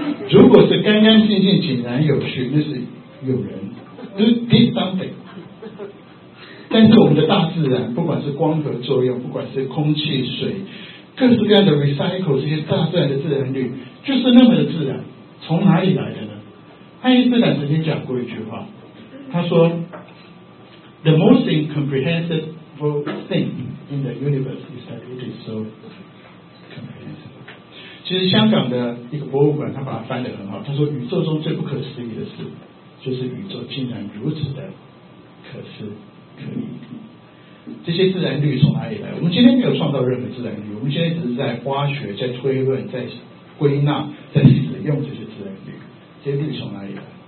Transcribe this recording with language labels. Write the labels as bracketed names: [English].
[Chinese] 如果是干干净净井然有序，那是有人，就是 [English] deep something。 [Chinese] 但是我们的大自然，不管是光合作用，不管是空气水各式各样的 recycle， 这些大自然的自然率就是那么的自然，从哪里来的呢？爱因斯坦曾经讲过一句话，他说 [English] The most incomprehensible thing in the universe is that it is so comprehensible。 [Chinese] 其实香港的一个博物馆他把它翻得很好，他说宇宙中最不可思议的事就是宇宙竟然如此的可思可议。这些自然律从哪里来？我们今天没有创造任何自然律，我们今天只是在挖掘、在推论、在归纳、在使用这些自然律。这些律从哪里来？